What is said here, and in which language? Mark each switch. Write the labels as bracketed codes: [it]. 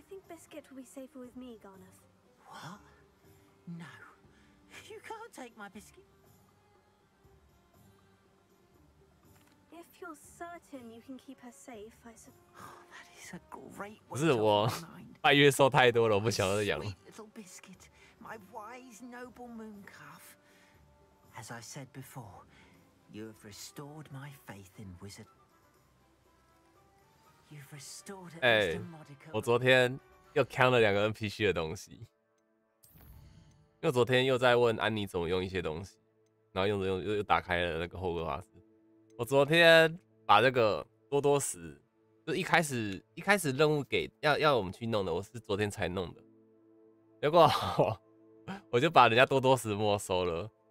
[en] Biscuit will be safer with me, Garnus. What? No. You can't take my biscuit. If you're certain you can keep her safe, I suppose. Oh, that is a great [zh] one. 不是我，拜月收太多了，我不想再养了。 [en] Sweet little biscuit, my wise noble mooncalf. As I said before, you have restored my faith in wizard. You've restored at least a modicum. [zh] 我昨天。又扛了两个 NPC 的东西，因为昨天又在问安妮怎么用一些东西，然后用着用又打开了那个霍格华兹。我昨天把这个多多石，就一开始任务给要我们去弄的，我是昨天才弄的，结果我就把人家多多石没收了。